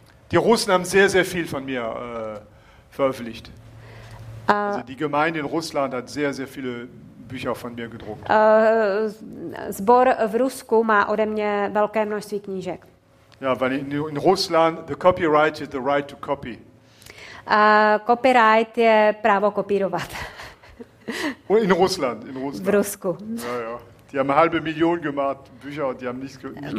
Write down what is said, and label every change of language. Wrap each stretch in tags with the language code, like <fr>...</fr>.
<de>Die Russen haben sehr, sehr viel von mir veröffentlicht. Also die Gemeinde in Russland hat sehr, sehr viele Bücher von mir gedruckt.</de> <cs>Sbor v Rusku má ode mě velké množství knížek.</cs> <de>Ja, weil in Russland</de> <en>the copyright is the right to copy.</en> <cs>Copyright je právo kopírovat.</cs> <de>In Russland.</de> <cs>V Rusku.</cs> <de>Ja, ja. Die haben 500.000 gemacht Bücher und die haben nichts gemacht.</de>